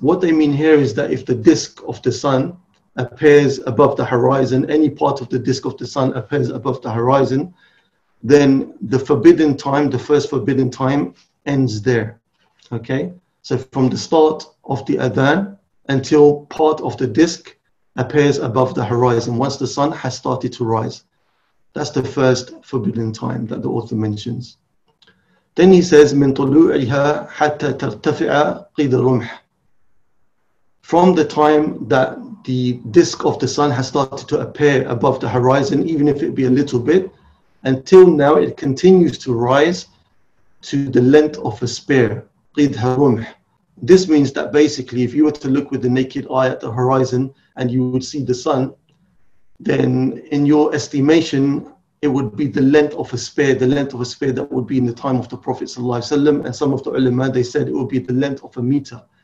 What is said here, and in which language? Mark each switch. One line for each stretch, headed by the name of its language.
English: What they mean here is that if the disk of the sun appears above the horizon, any part of the disk of the sun appears above the horizon, then the forbidden time, the first forbidden time, ends there. Okay, so from the start of the Adhan until part of the disk appears above the horizon, once the sun has started to rise. That's the first forbidden time that the author mentions. Then he says,
Arabic: مِن طُلُوعِهَا حَتَّى تَرْتَفِعَ قِيدَ رُمْحِ.
English: From the time that the disk of the sun has started to appear above the horizon, even if it be a little bit, until now it continues to rise to the length of a spear,
Arabic: قِيدَ رُمْحِ.
English: This means that basically, if you were to look with the naked eye at the horizon and you would see the sun, then in your estimation, it would be the length of a spear, the length of a spear that would be in the time of the Prophet ﷺ, and some of the ulama, they said it would be the length of a meter.